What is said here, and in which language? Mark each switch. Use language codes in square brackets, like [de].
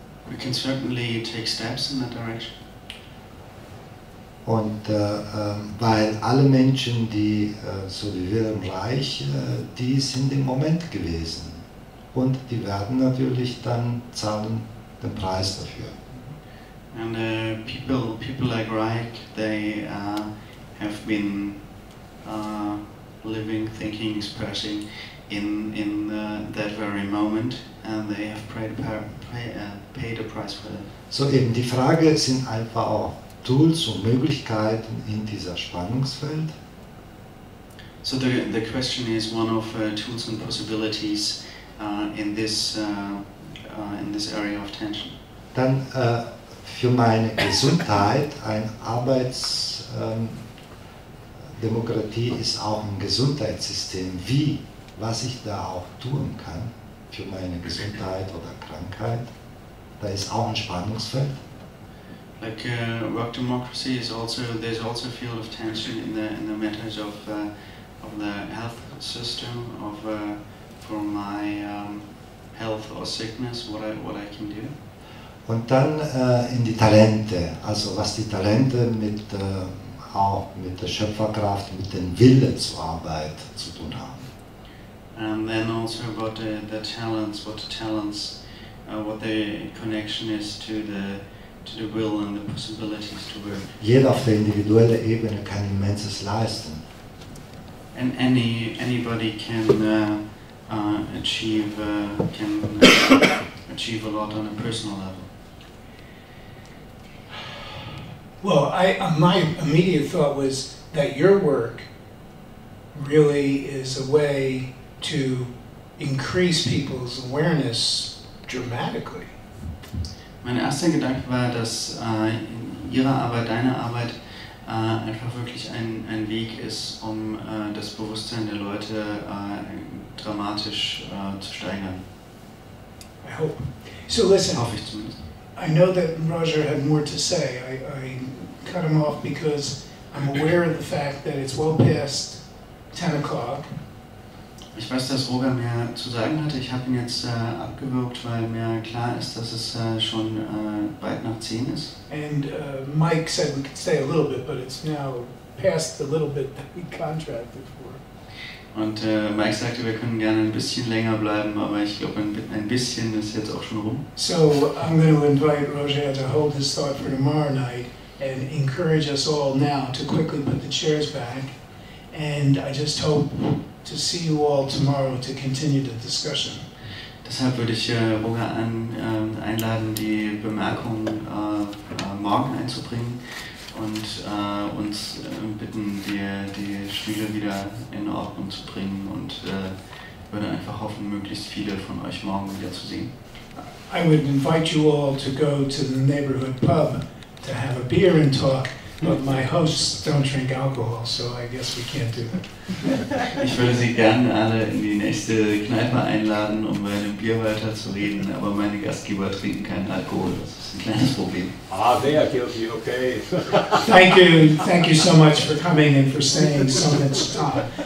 [en] We can certainly take steps in that direction. [de] Und weil alle Menschen, die so wie Wilhelm Reich, die sind im Moment gewesen. Und die werden natürlich dann zahlen den Preis dafür. [en] And people like Reich, they have been living, thinking, expressing in that very moment, and they have paid a price for it. [de] So eben die Frage sind einfach auch Tools und Möglichkeiten in dieser Spannungsfeld. [en] So the question is one of tools and possibilities in this area of tension. [de] Dann für meine Gesundheit ein Arbeitsdemokratie ist auch ein Gesundheitssystem. Wie, was ich da auch tun kann für meine Gesundheit oder Krankheit, da ist auch ein Spannungsfeld. [en] Like work democracy is also there's also a field of tension in the matters of the health system of for my health or sickness what I can do. [de] Und dann in die Talente, also was die Talente mit auch mit der Schöpferkraft, mit dem Wille zur Arbeit zu tun haben. [en] And then also about the talents, what the connection is to the will and the possibilities to work. [de] Jeder auf der individuellen Ebene kann immenses leisten. [en] And anybody can achieve a lot on a personal level. Well, my immediate thought was that your work really is a way to increase people's awareness dramatically. [de] Mein erster Gedanke war, dass Ihre Arbeit, deine Arbeit einfach wirklich ein Weg ist, um das Bewusstsein der Leute dramatisch zu steigern. [en] I hope. So listen, [de] hoffe ich zumindest. [en] I know that Roger had more to say. I cut him off because I'm aware of the fact that it's well past 10 o'clock. [de] Ich weiß, dass Roger mehr zu sagen hatte. Ich habe ihn jetzt abgewürgt, weil mir klar ist, dass es schon bald nach 10 ist. [en] And Mike said we could stay a little bit, but it's now past the little bit that we contracted for. [de] Und Mike sagte, wir können gerne ein bisschen länger bleiben, aber ich glaube, ein bisschen ist jetzt auch schon rum. [en] So I'm going to invite Roger to hold his thought for tomorrow night and encourage us all now to quickly put the chairs back. And I just hope to see you all tomorrow to continue the discussion. [de] Deshalb würde ich Roger einladen, die Bemerkung morgen einzubringen und uns bitten, die Spiele wieder in Ordnung zu bringen und würde einfach hoffen, möglichst viele von euch morgen wieder zu sehen. [en] I would invite you all to go to the neighborhood pub to have a beer and talk. But my hosts don't drink alcohol, so I guess we can't do it. [de] Ich würde Sie gerne alle in die nächste Kneipe einladen, um bei einem Bier weiter zu reden, aber meine Gastgeber trinken keinen Alkohol. Das ist ein kleines Problem. [en] Ah, there, guilty, okay. Thank you so much for coming and for staying so much time.